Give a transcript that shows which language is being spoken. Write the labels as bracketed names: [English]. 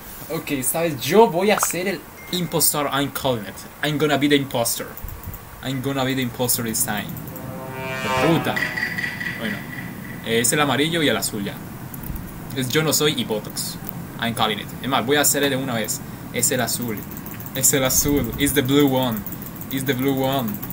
[Spanish] Ok, esta vez yo voy a ser el [English] impostor. I'm calling it. I'm gonna be the impostor. I'm gonna be the impostor this time. [Spanish] De puta. Bueno, es el amarillo y el azul ya. Es yo no soy y Botox. [English] I'm calling it. [Spanish] Es más, voy a hacer el de una vez. Es el azul. Es el azul. [English] It's the blue one. [Spanish] It's the blue one.